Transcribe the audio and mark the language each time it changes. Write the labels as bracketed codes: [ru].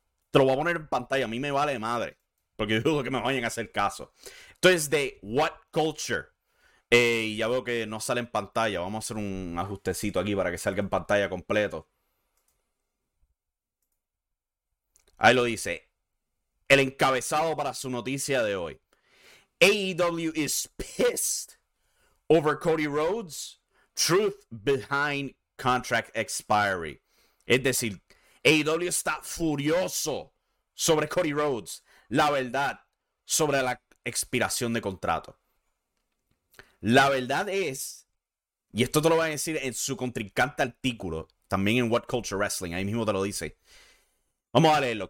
[es] Te lo voy a poner en pantalla. A mí me vale madre. Porque dudo que me vayan a hacer caso. Entonces, de What Culture. Y ya veo que no sale en pantalla. Vamos a hacer un ajustecito aquí para que salga en pantalla completo. Ahí lo dice. El encabezado para su noticia de hoy. [en] AEW is pissed over Cody Rhodes. Truth behind contract expiry. [es] Es decir, AEW está furioso sobre Cody Rhodes. La verdad sobre la expiración de contrato. La verdad es, y esto te lo va a decir en su contrincante artículo, también en What Culture Wrestling, ahí mismo te lo dice. Vamos a leerlo.